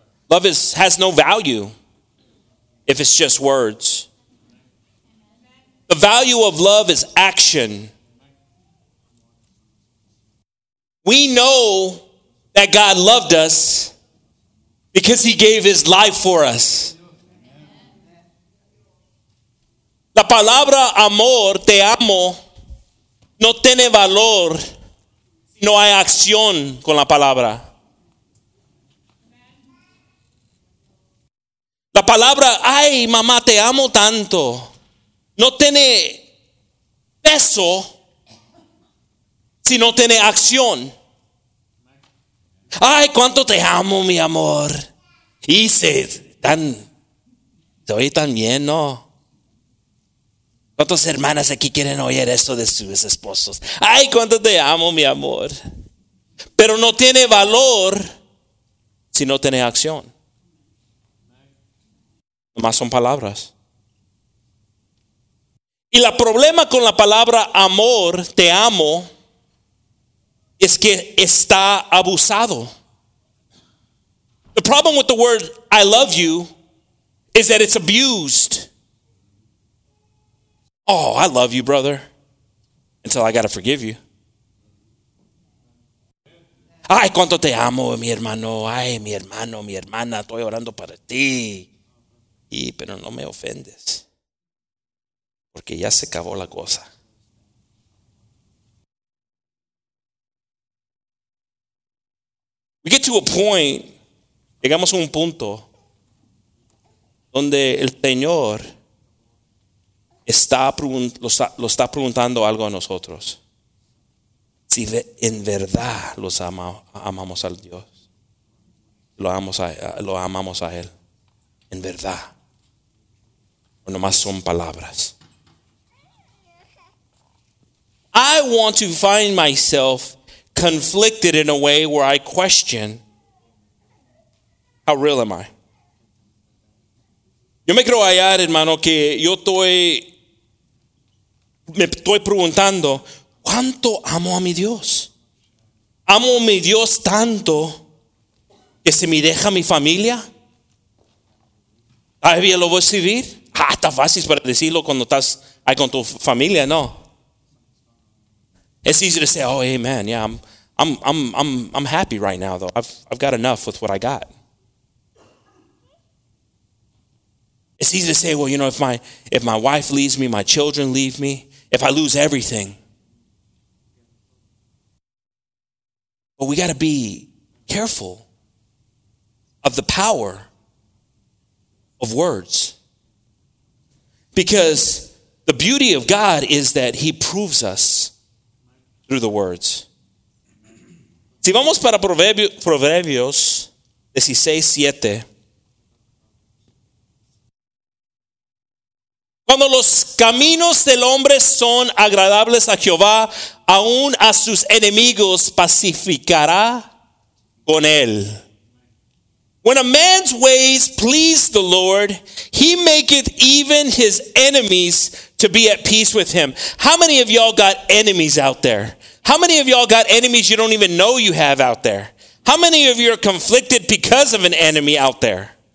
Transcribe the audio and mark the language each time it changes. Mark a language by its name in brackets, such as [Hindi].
[English] Love has no value if it's just words. The value of love is action. We know that God loved us because he gave his life for us. [Spanish] La palabra amor, te amo, no tiene valor, no hay acción con la palabra. La palabra, ay, mamá, te amo tanto, no tiene peso, si no tiene acción. Ay, cuánto te amo, mi amor. Hice tan, estoy tan bien, ¿no? ¿Cuántas hermanas aquí quieren oír eso de sus esposos? Ay, cuánto te amo, mi amor. Pero no tiene valor si no tiene acción. Nomás son palabras. Y el problema con la palabra amor, te amo, es que está abusado. [English] The problem with the word I love you is that it's abused. Oh, I love you, brother, until I got to forgive you. [Spanish] Ay, cuánto te amo, mi hermano. Ay, mi hermano, mi hermana, estoy orando para ti. Y, pero no me ofendes, porque ya se acabó la cosa. [English] We get to a point, [Spanish] llegamos a un punto, donde el Señor lo está preguntando algo a nosotros. Si en verdad amamos al Dios. Lo amamos a Él. En verdad. O nomás son palabras. [English] I want to find myself conflicted in a way where I question, how real am I? [Spanish] Yo me creo hallar, hermano, que yo estoy... Me estoy preguntando, ¿cuánto amo a mi Dios? ¿Amo a mi Dios tanto que se me deja mi familia? ¿Ah, bien lo voy a servir? Ah, está fácil para decirlo cuando estás ahí con tu familia, ¿no? [English] It's easy to say, oh, hey, amen, yeah, I'm happy right now, though. I've got enough with what I got. It's easy to say, well, you know, if my wife leaves me, my children leave me, if I lose everything. But we got to be careful of the power of words. Because the beauty of God is that he proves us through the words. [Spanish] Si vamos para Proverbios 16:7. Cuando los caminos del hombre son agradables a Jehová, aún a sus enemigos pacificará con él. [English] When a man's ways please the Lord, he maketh even his enemies to be at peace with him. How many of y'all got enemies out there? How many of y'all got enemies you don't even know you have out there? How many of you are conflicted because of an enemy out there?